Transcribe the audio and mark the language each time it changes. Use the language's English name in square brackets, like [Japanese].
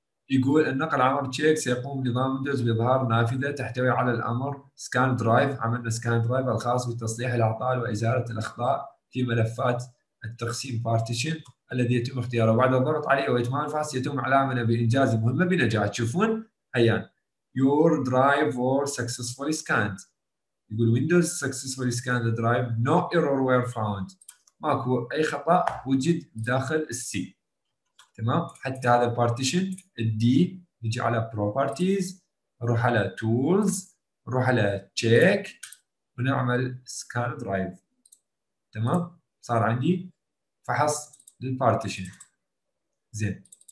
[Arabic] يقول النقل عمر تشيك، سيقوم نظام ويندوز بإظهار نافذة تحتوي على الأمر سكان درايف، عملنا سكان درايف الخاص بتصليح الأعطاء وإزالة الأخطاء في ملفات التقسيم بارتيشن الذي يتم اختياره، بعد الضغط عليه وإتمام الفحص يتم علامنا بإنجاز المهمة بنجاح. تشوفون هيا [English] your drive were successfully scanned. [Arabic] يقول [English] Windows successfully scanned the drive, no error were found. [Arabic] ماكو أي خطأ وجد داخل السي. تمام؟ حتى هذا البارتيشن الدي نجي على Properties, نروح على Tools, نروح على Check ونعمل Scan Drive. تمام؟ صار عندي فحص للبارتيشن. زين.